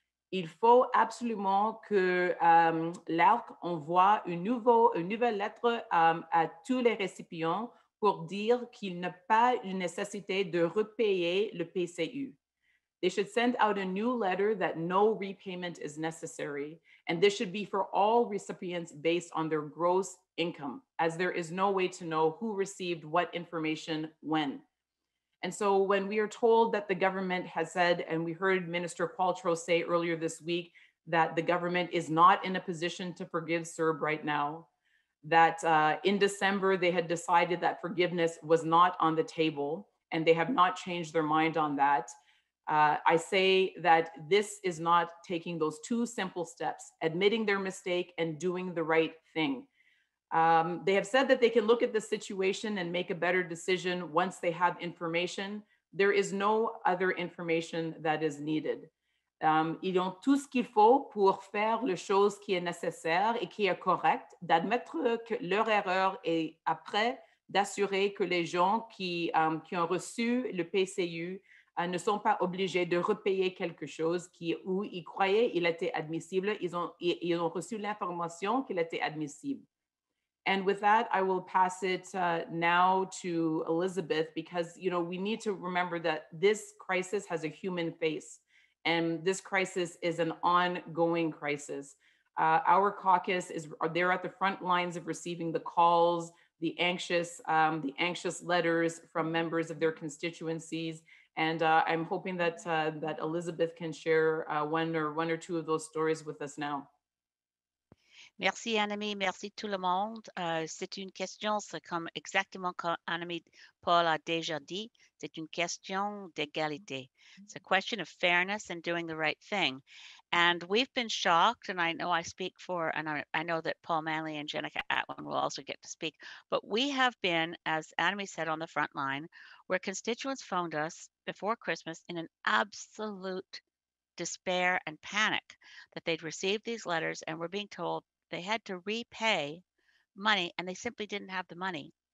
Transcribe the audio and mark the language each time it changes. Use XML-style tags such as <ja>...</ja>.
<fr>Il faut absolument que l'ARC envoie une nouvelle lettre à tous les récipients pour dire qu'il n'a pas une nécessité de repayer le PCU.</fr> <en>They should send out a new letter that no repayment is necessary, and this should be for all recipients based on their gross income, as there is no way to know who received what information when. And so when we are told that the government has said, and we heard Minister Qualtro say earlier this week, that the government is not in a position to forgive CERB right now, that in December they had decided that forgiveness was not on the table and they have not changed their mind on that. I say that this is not taking those two simple steps, admitting their mistake and doing the right thing. They have said that they can look at the situation and make a better decision once they have information. There is no other information that is needed.</en> <fr>Ils ont tout ce qu'il faut pour faire les choses qui est nécessaire et qui est correct, d'admettre que leur erreur et après d'assurer que les gens qui ont reçu le PCU ne sont pas obligés de repayer quelque chose où ils croyaient qu'il était admissible. Ils ont reçu l'information qu'il était admissible.</fr> <en>And with that, I will pass it now to Elizabeth, because you know we need to remember that this crisis has a human face. And this crisis is an ongoing crisis. Our caucus are there at the front lines of receiving the calls, the anxious letters from members of their constituencies. And I'm hoping that that Elizabeth can share one or two of those stories with us now.</en> <fr>Merci, Annamie. Merci, tout le monde. C'est une question, c'est comme exactement comme Annamie Paul a déjà dit, c'est une question d'égalité.</fr> <en>It's a question of fairness and doing the right thing. And we've been shocked, and I know I speak for, and I know that Paul Manley and Jenica Atwin will also get to speak, but we have been, as Annamie said, on the front line, where constituents phoned us before Christmas in an absolute despair and panic that they'd received these letters and were being told they had to repay money and they simply didn't have the money.</en>